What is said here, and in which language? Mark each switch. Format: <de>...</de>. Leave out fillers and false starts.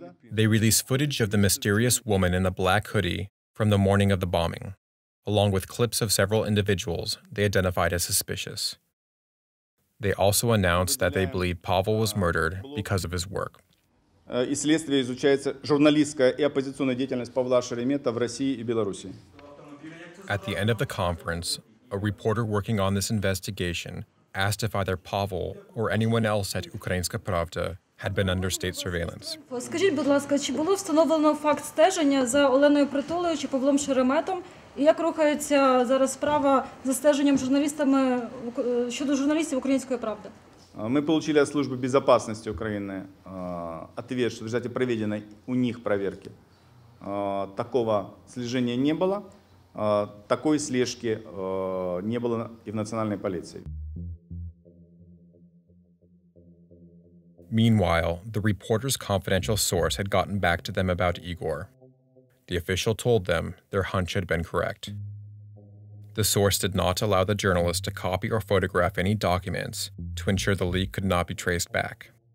<en>They released footage of the mysterious woman in the black hoodie from the morning of the bombing, along with clips of several individuals they identified as suspicious. They also announced that they believe Pavel was murdered because of his work.</en> <uk>І слідство ізучається журналістська і опозиційна діяльність Павла Шеремета в Росії і Білорусі.</uk> <en>At the end of the conference, a reporter working on this investigation asked if either Pavel or anyone else at Українська Правда had been under state surveillance.</en> <uk>Скажіть, будь ласка, чи було встановлено факт стеження за Оленою Притулею чи Павлом Шереметом? І як рухається зараз справа за стеженням журналістами щодо журналістів Української Правди?</uk> <ru>Мы получили от Службы безопасности Украины ответ, что в результате проведенной у них проверки такого слежения не было, такой слежки не было и в национальной полиции.</ru> <en>Meanwhile, the reporter's confidential source had gotten back to them about Igor. The official told them their hunch had been correct. The source did not allow the journalist to copy or photograph any documents to ensure the leak could not be traced back.</en>